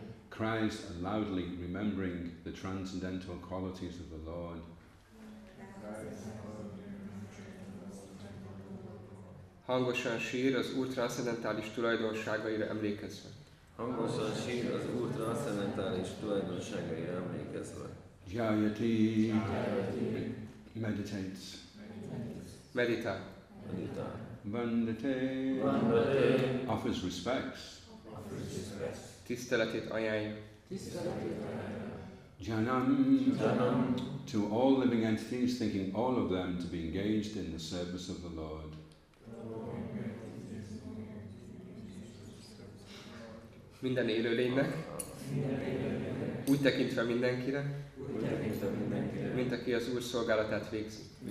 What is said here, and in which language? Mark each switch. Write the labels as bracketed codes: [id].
[en] cries loudly, remembering the transcendental qualities of the Lord. [hu] Hangosan sír az Úr transzcendentális tulajdonságaira emlékezve. Hangosan sír az Úr transzcendentális tulajdonságaira emlékezve. [sa] Jayati. [en] Meditates. Medita. [sa] Vandate. Vandate. [en] Offers respects. [hu] Tiszteletét ajánlja. [sa] Janam. Janam. [en] To all living entities, thinking all of them to be engaged in the service of the Lord. [hu] Minden élőlénynek, úgy tekintve mindenkire, mint aki az Úr szolgálatát végzi.